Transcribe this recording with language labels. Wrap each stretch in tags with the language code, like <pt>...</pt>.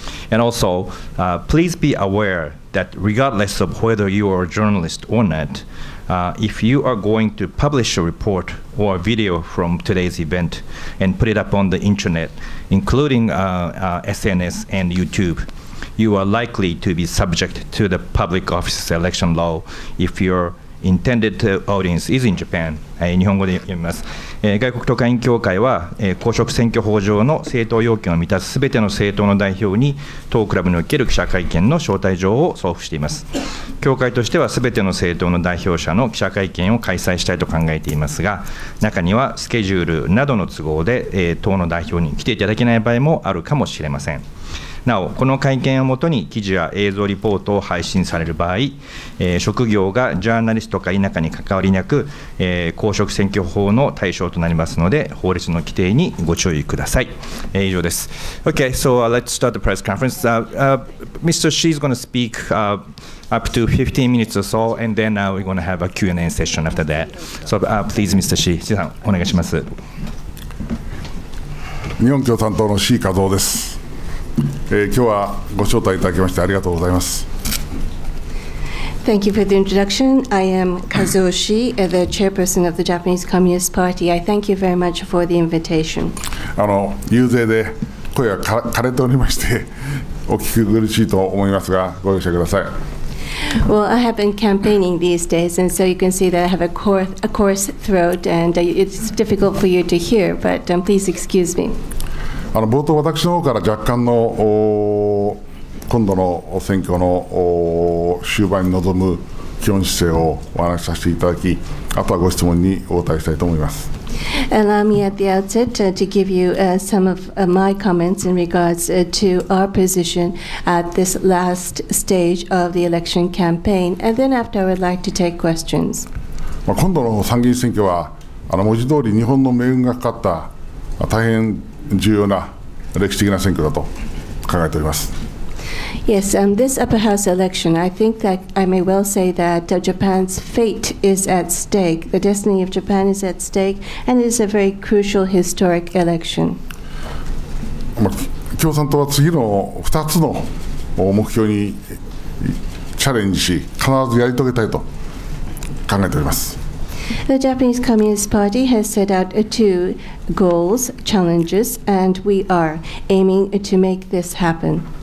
<en>And also, please be aware that regardless of whether you are a journalist or not, if you are going to publish a report or a video from today's event and put it up on the internet, including SNS and YouTube, you are likely to be subject to the public office election law if your intended audience is in Japan.</en> <ja>日本語で読みます。外国特派員協会は、公職選挙法上の政党要件を満たすすべての政党の代表に当クラブにおける記者会見の招待状を送付しています。協会としてはすべての政党の代表者の記者会見を開催したいと考えていますが、中にはスケジュールなどの都合で、党の代表に来ていただけない場合もあるかもしれません。なお、この会見をもとに記事や映像リポートを配信される場合、職業がジャーナリストか否かに関わりなく、公職選挙法の対象となりますので、法律の規定にご注意ください。以上です。</ja> <en>Okay, so let's start the press conference. Mr. Shii is going to speak up to 15 minutes or so, and then we're going to have a Q&A session after that. So please, Mr. Shii, Shii さん、</en> <ja>お願いします。日本共産党の Shii Kazuoです。今日はご招待いただきましてありがとうございます。</ja> <en>Thank you for the introduction. I am Kazuo Shii, the chairperson of the Japanese Communist Party. I thank you very much for the invitation.</en> <ja>遊説で声が枯れておりまして、お聞き苦しいと思いますが、ご容赦ください。</ja> <en>Well, I have been campaigning these days, and so you can see that I have a coarse throat, and it's difficult for you to hear, but please excuse me.</en> <ja>冒頭私の方から若干の今度の選挙の終盤に臨む基本姿勢をお話しさせていただき、あとはご質問にお答えしたいと思います。</ja> <en>Allow me at the outset to give you some of my comments in regards to our position at this last stage of the election campaign, and then after I would like to take questions.</en> <ja>今度の参議院選挙は文字通り日本の命運がかかった大変重要な歴史的な選挙だと考えております。</ja> <en>Yes, this upper house election, I think that I may well say that Japan's fate is at stake. The destiny of Japan is at stake, and it is a very crucial historic election.</en> <ja>共産党は次の2つの目標にチャレンジし、必ずやり遂げたいと考えております。</ja> <en>The Japanese Communist Party has set out two goals, challenges, and we are aiming to make this happen.</en>